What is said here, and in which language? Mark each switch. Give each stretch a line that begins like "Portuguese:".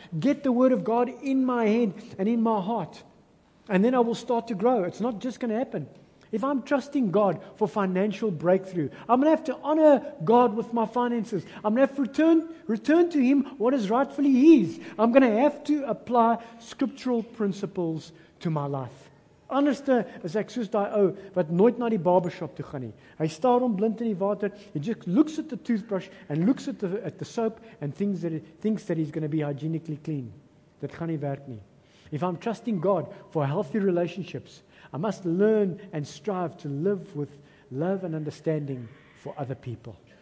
English: Get the Word of God in my head and in my heart. And then I will start to grow. It's not just going to happen. If I'm trusting God for financial breakthrough, I'm going to have to honor God with my finances. I'm going to have to return to Him what is rightfully His. I'm going to have to apply scriptural principles to my life.
Afrikaans: Honest as ek soos daai ou wat nooit na die barbershop toe gaan nie. Hy staar hom blind in die water.
English: He just looks at the toothbrush and looks at the soap and thinks that he's going to be hygienically clean.
Afrikaans: Dit gaan nie werk nie.
English: If I'm trusting God for healthy relationships, I must learn and strive to live with love and understanding for other people.